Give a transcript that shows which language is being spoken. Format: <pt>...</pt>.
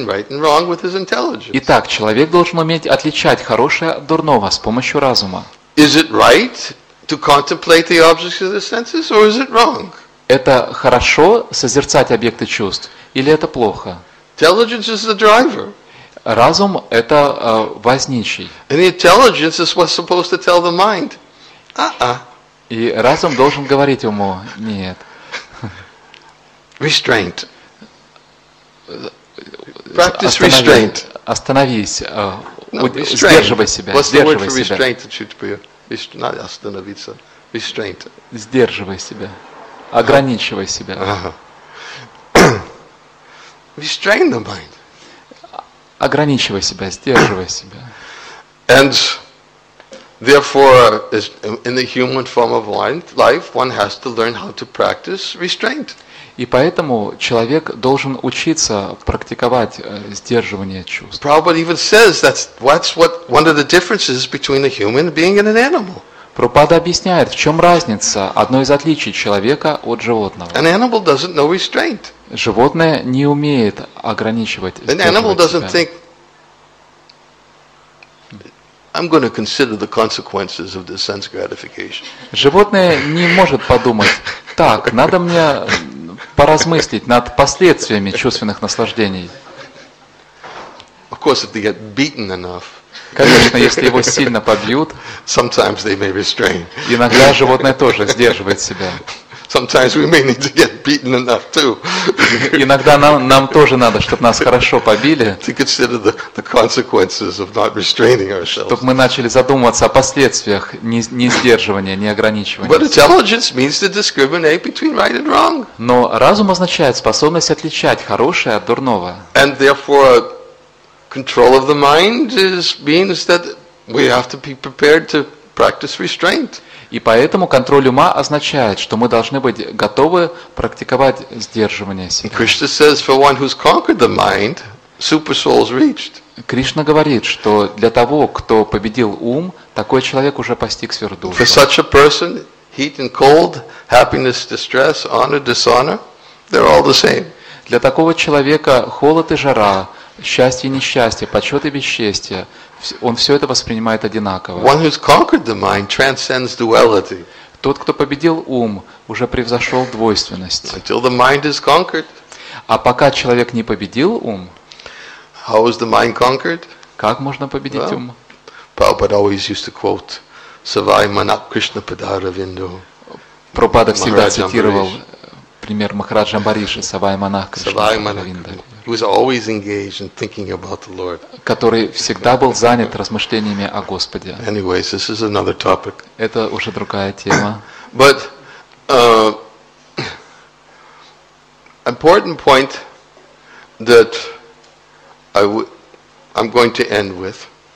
<ru>Итак, человек должен уметь отличать хорошее от дурного с помощью разума. Это хорошо созерцать объекты чувств или это плохо?</ru> <en>Intelligence is the driver.</en> <ru>Разум – это возничий.</ru> <en>And the intelligence is what's supposed to tell the mind.</en> <ru>И разум должен говорить уму «нет».</ru> <en>Restraint. Practice restraint.</en> <ru>Остановись. Сдерживай себя.</ru> <en>What's the word for restraint that should be? Not остановиться. Restraint.</en> <ru>Сдерживай себя. Ограничивай себя.</ru> <en>restrain the mind.</en> <ru>Ограничивай себя, сдерживай себя.</ru> <en>And therefore, in the human form of life, one has to learn how to practice restraint.</en> <ru>И поэтому человек должен учиться практиковать сдерживание чувств.</ru> <en>Prabhupada even says that's what one of the differences between a human being and an animal.</en> <ru>Прабхупада объясняет, в чем разница, одно из отличий человека от животного.</ru> <en>An animal doesn't know restraint.</en> <ru>Животное не умеет ограничивать</ru> <en>себя. An animal doesn't think, I'm going to consider the consequences of this sense gratification.</en> <ru>Животное не может подумать, так, надо мне поразмыслить над последствиями чувственных наслаждений.</ru> <en>Of course, if they get beaten enough,</en> <ru>конечно, если его сильно побьют,</ru> <en>sometimes they may restrain.</en> <ru>Иногда животное тоже сдерживает себя.</ru> <en>Sometimes we may need to get beaten enough too.</en> <ru>Иногда нам тоже надо, чтобы нас хорошо побили,</ru> <en>to consider the consequences of not restraining ourselves.</en> <ru>Чтобы мы начали задумываться о последствиях несдерживания, неограничивания.</ru> <en>But intelligence means to discriminate between right and wrong.</en> <ru>Но разум означает способность отличать хорошее от дурного.</ru> <en>And therefore, control of the mind means that we have to be prepared to practice restraint.</en> <ru>И поэтому контроль ума означает, что мы должны быть готовы практиковать сдерживание себя.</ru> <en>Krishna says, for one who's conquered the mind, super soul's reached.</en> <ru>Кришна говорит, что для того, кто победил ум, такой человек уже постиг сверхдушу.</ru> <en>For such a person, heat and cold, happiness, distress, honor, dishonor, they're all the same.</en> <ru>Для такого человека холод и жара, счастье и несчастье, почет и бесчестие, он все это воспринимает одинаково.</ru> <en>One who's conquered the mind transcends duality.</en> <ru>Тот, кто победил ум, уже превзошел двойственность.</ru> <en>Until the mind is conquered.</en> <ru>А пока человек не победил ум,</ru> <en>how is the mind conquered?</en> <ru>Как можно победить ум?</ru> <en>Prabhupada always used to quote Savai Manap Krishna Padaravindu.</en> <ru>Прабхупада всегда цитировал пример Махараджа Амбариша, Савай Манах Кришна,</ru> <en>was always engaged in thinking about the Lord.</en> <ru>Который всегда был занят размышлениями о Господе.</ru> <en>Anyways, this is another topic.</en> <ru>Это уже другая тема.</ru> <en>But important point that I'm going to end with.</en>